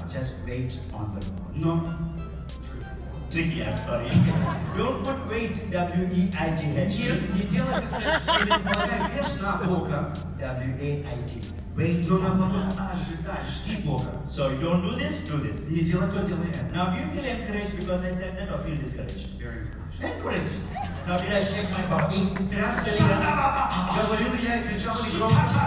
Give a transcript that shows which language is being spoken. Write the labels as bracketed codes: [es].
[en] Just wait on the Lord. No. Tricky, I'm sorry. Don't put weight, W-E-I-G-H. [ru] Не делай, как [en] W-A-I-G. [ru] Wait, но наоборот, ожидай, жди Бога. [en] So you don't do this, do this. [ru] Не делай то, делай это. [en] Now, do you feel encouraged because I said that or feel discouraged? Very encouraged. Encouraged. Now, did I shake my body? [ru] Трясся ли я? Говорил ли я и кричал ли громко?